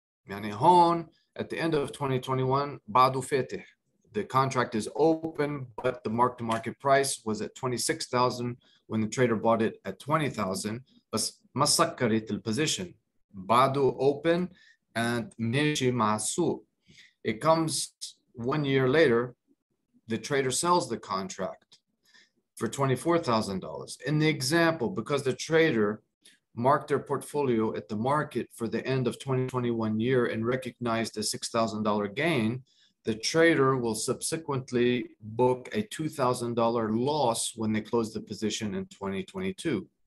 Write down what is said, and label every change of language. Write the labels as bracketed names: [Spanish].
[Arabic] يعني هون, [English] at the end of 2021, [Arabic] بعدو فاتح. [English] The contract is open, but the mark-to-market price was at 26,000 when the trader bought it at 20,000. [Arabic] بس ما سكرت البوزيشن. بعدو [English] open and [Arabic] ماشي مع السوق. [English] It comes 1 year later, the trader sells the contract for $24,000. In the example, because the trader marked their portfolio at the market for the end of 2021 year and recognized a $6,000 gain, the trader will subsequently book a $2,000 loss when they close the position in 2022.